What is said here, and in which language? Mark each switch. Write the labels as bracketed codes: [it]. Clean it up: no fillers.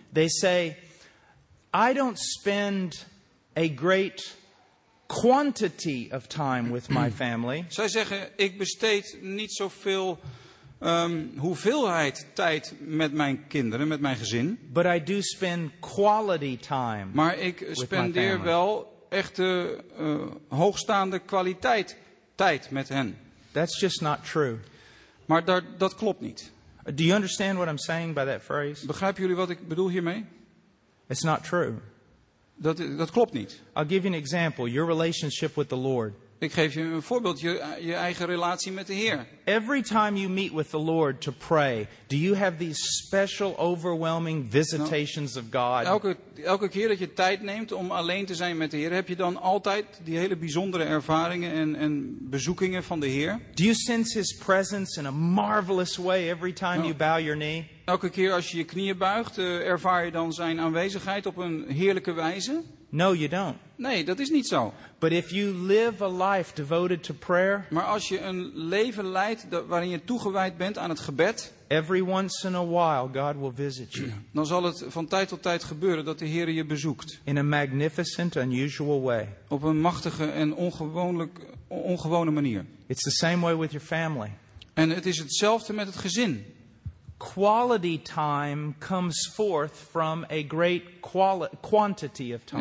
[en] They say, I don't spend a great quantity of time with my family. [nl] Zij zeggen, ik besteed niet zoveel hoeveelheid tijd met mijn kinderen, met mijn gezin. [en] But I do spend quality time. [nl] Maar ik spendeer wel echte hoogstaande kwaliteit tijd met hen. [en] That's just not true. [nl] Maar dat klopt niet. [en] Do you understand what I'm saying by that phrase? [nl] Begrijpen jullie wat ik bedoel hiermee? [en] It's not true. [nl] Dat klopt niet. [en] I'll give you an example. Your relationship with the Lord. [nl] Ik geef je een voorbeeld. Je eigen relatie met de Heer. [en] Every time you meet with the Lord to pray, do you have these special overwhelming visitations of God? [nl] Elke keer dat je tijd neemt om alleen te zijn met de Heer, heb je dan altijd die hele bijzondere ervaringen en bezoekingen van de Heer? [en] Do you sense His presence in a marvelous way every time you bow your knee? [nl] Elke keer als je knieën buigt, ervaar je dan zijn aanwezigheid op een heerlijke wijze? [en] No, you don't. [nl] Nee, dat is niet zo. [en] But if you live a life devoted to prayer, [nl] maar als je een leven leidt waarin je toegewijd bent aan het gebed, [en] every once in a while God will visit you. [nl] Dan zal het van tijd tot tijd gebeuren dat de Heer je bezoekt. [en] In a magnificent, unusual way. [nl] Op een machtige en ongewone manier. [en] It's the same way with your family. [nl] En het is hetzelfde met het gezin. [en] Quality time comes forth from a great quantity of time.